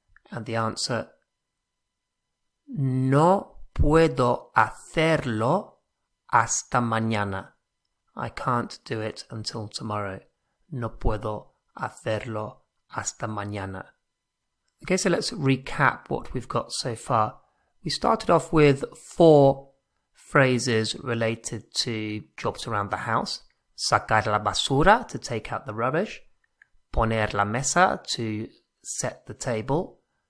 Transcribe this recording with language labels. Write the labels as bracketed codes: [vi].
[en] And the answer, [es] no puedo hacerlo hasta mañana. [en] I can't do it until tomorrow. [es] No puedo hacerlo hasta mañana. [en] Okay, so let's recap what we've got so far. We started off with four phrases related to jobs around the house. [es] Sacar la basura, [en] to take out the rubbish. [es] Poner la mesa, [en] to set the table.